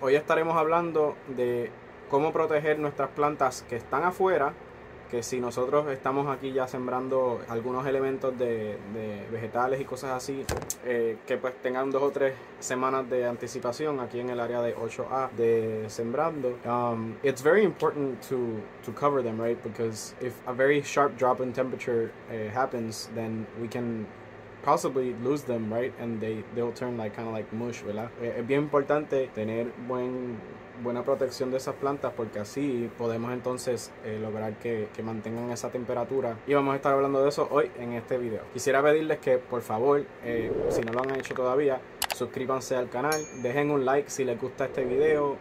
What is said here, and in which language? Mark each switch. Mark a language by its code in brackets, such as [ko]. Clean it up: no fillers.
[es] Hoy estaremos hablando de cómo proteger nuestras plantas que están afuera, que si nosotros estamos aquí ya sembrando algunos elementos de vegetales y cosas así, que pues tengan dos o tres semanas de anticipación aquí en el área de 8A de sembrando. [en] It's very important to cover them, right? Because if a very sharp drop in temperature happens, then we can possibly lose them, right? And they'll turn like kind of like mush, ¿verdad? [es] Es bien importante tener buena protección de esas plantas, porque así podemos entonces lograr que mantengan esa temperatura. Y vamos a estar hablando de eso hoy en este video. Quisiera pedirles que, por favor, si no lo han hecho todavía, suscríbanse al canal, dejen un like si les gusta este video.